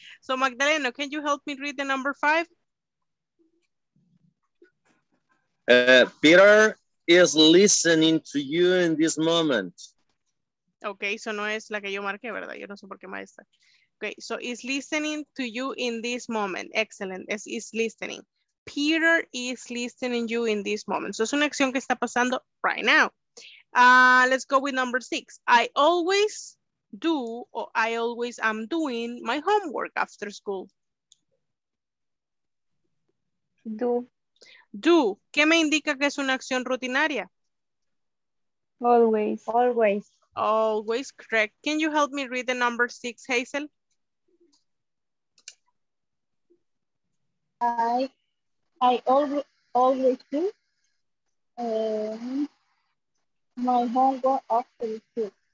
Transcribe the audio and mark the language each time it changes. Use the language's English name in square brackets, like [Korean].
[English] So, Magdalena, can you help me read the number five? Peter is listening to you in this moment. [Spanish] Ok, eso no es la que yo marqué, ¿verdad? Yo no sé por qué, maestra. [English] Ok, so is listening to you in this moment. Excellent, is listening. Peter is listening to you in this moment. [Spanish] So es una acción que está pasando [English] right now. Let's go with number six. I always do or I always am doing my homework after school. Do. [Spanish] ¿Qué me indica que es una acción rutinaria? [English] Always, correct. Can you help me read the number six, Hazel? I always do my homework after school.